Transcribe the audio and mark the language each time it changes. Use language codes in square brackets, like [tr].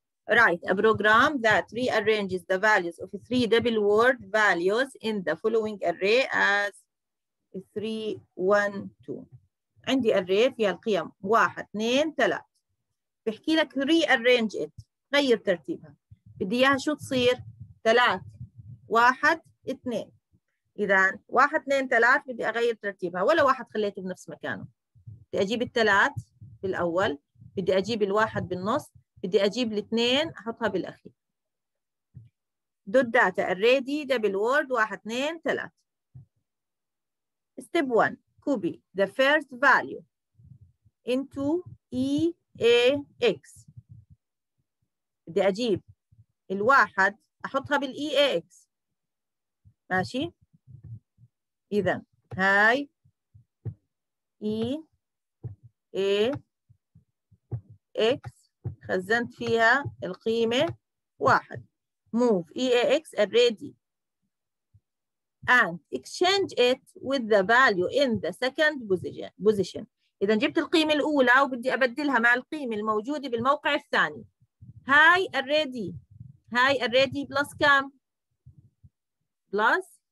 [en] Write a program that rearranges the values of three double word values in the following array as 3, 1, 2. [ar] عندي array فيها القيم 1, 2, 3. بحكي لك [en] rearrange it، [ar] غير ترتيبها. بدي إياها شو تصير؟ 3, 1, 2. إذا 1, 2, 3 بدي أغير ترتيبها، ولا واحد خليته بنفس مكانه. بدي أجيب الثلاث بالأول، بدي أجيب الواحد بالنص، بدي أجيب الاثنين أحطها بالأخير. [en] Dot data array D double word 1 2 3. step 1 copy the first value into eax. [ar] بدي أجيب الواحد أحطها بالeax ماشي. إذا هاي e A X خزنت فيها القيمة 1. [en] move E A X array D and exchange it with the value in the second position. [ar] إذا جبت القيمة الأولى وبدي أبدلها مع القيمة الموجودة بالموقع الثاني. هاي array D، هاي array D plus كم؟ plus